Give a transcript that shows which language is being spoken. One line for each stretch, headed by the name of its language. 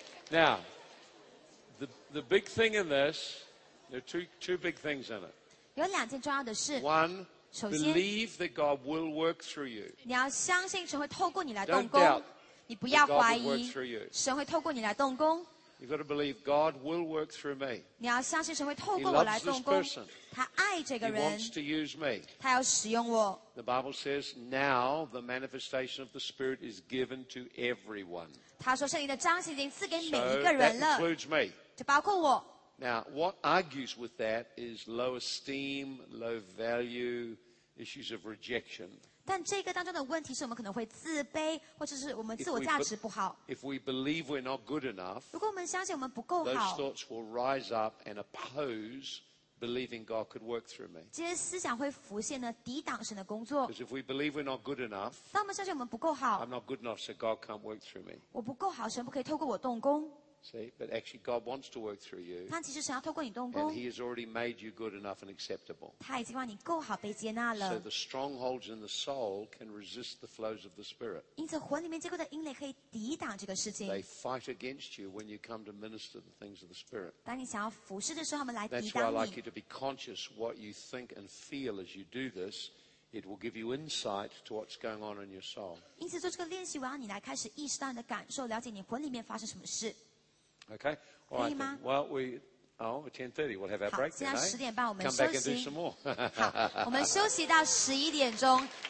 English: Now, the big thing in this, there are two big things in it.
Chinese: 有两件重要的事。
English: One,believe that God will work through you.
Chinese: 你要相信神会透过你来动工。
English: Don't doubt.
Chinese: 你不要怀疑，神会透过你来动工。
English: You've got to believe God will work through me.
Chinese: 你要相信神会透过我来动工。
English: He loves this person.
Chinese: 他爱这个人。
English: He wants to use me.
Chinese: 他要使用我。
English: The Bible says, "Now the manifestation of the Spirit is given to everyone."
Chinese: 他说圣灵的彰显已经赐给每一个人了。
English: So that includes me.
Chinese: 就包括我。
English: Now, what argues with that is low esteem, low value, issues of rejection.
Chinese: 但这个当中的问题是我们可能会自卑或者是我们自我价值不好
English: if we believe we're not good enough,
Chinese: 如果我们相信我们不够好
English: those thoughts will rise up and oppose believing God could work through me
Chinese: 这些思想会浮现呢抵挡神的工作
English: because if we believe we're not good enough,
Chinese: 当我们相信我们不够好
English: I'm not good enough so God can't work through me
Chinese: 我不够好神不可以透过我动工
English: See, but actually God wants to work through you.
Chinese: 但其实神要透过你动工。
English: And he has already made you good enough and acceptable.
Chinese: 他已经让你够好被接纳了。
English: So the strongholds in the soul can resist the flows of the Spirit.
Chinese: 因此魂里面结构的阴雷可以抵挡这个事情。
English: They fight against you when you come to minister the things of the Spirit.
Chinese: 当你想要服事的时候，他们来抵挡你。
English: That's why I like you to be conscious what you think and feel as you do this. It will give you insight to what's going on in your soul.
Chinese: 因此做这个练习，我要你来开始意识到你的感受，了解你魂里面发生什么事。
English: Okay, all right. Well, we oh, 10:30. We'll have our break.
Chinese: 现在十点半，我们休息。
English: Come back and do some more.
Chinese: 好，我们休息到十一点钟。